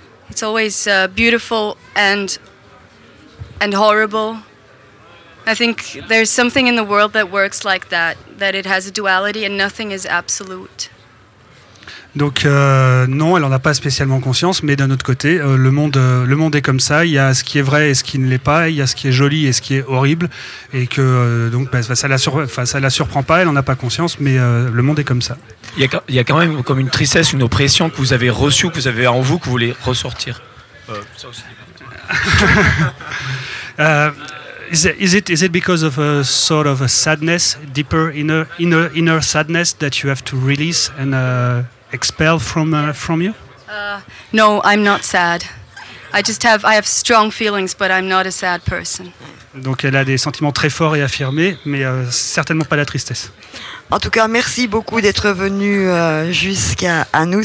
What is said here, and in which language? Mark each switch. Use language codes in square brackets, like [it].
[en] It's always beautiful and horrible. I think there's something in the world that works like that, that it has a duality and nothing is absolute. [fr] Donc non, elle n'en a pas spécialement conscience, mais d'un autre côté, le monde est comme ça, il y a ce qui est vrai et ce qui ne l'est pas, il y a ce qui est joli et ce qui est horrible, et que donc ça la surprend pas, elle n'en a pas conscience, mais le monde est comme ça. Il y a quand même comme une tristesse, une oppression que vous avez reçue, que vous avez en vous, que vous voulez ressortir. Ça aussi. [en] Is it because of a sort of a sadness, deeper inner sadness that you have to release and expel from you? No, I'm not sad. I have strong feelings, but I'm not a sad person. [fr] Donc elle a des sentiments très forts et affirmés, mais certainement pas la tristesse. En tout cas, merci beaucoup d'être venu jusqu'à nous.